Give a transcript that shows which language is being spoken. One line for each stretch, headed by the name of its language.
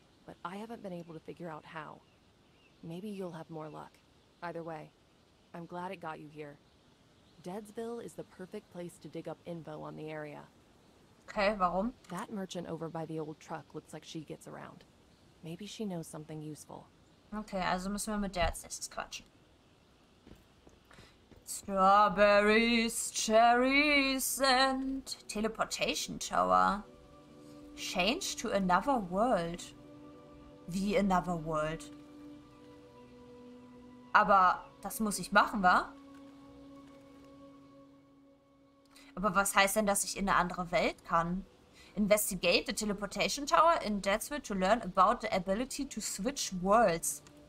English: But I haven't been able to figure out how. Maybe you'll have more luck. Either way, I'm glad it got you here. Deadsville is the perfect place to dig up info on the area.
German: Okay, warum?
English: That merchant over by the old truck looks like she gets around. Maybe she knows something useful.
German: Okay, also müssen wir mit der jetzt nächstes quatschen.
English: Strawberries, cherries and teleportation tower. Change to another world. Wie another world?
German: Aber das muss ich machen, wa? Aber was heißt denn, dass ich in eine andere Welt kann?
English: Investigate the teleportation tower in Deadsville to learn about the ability to switch worlds.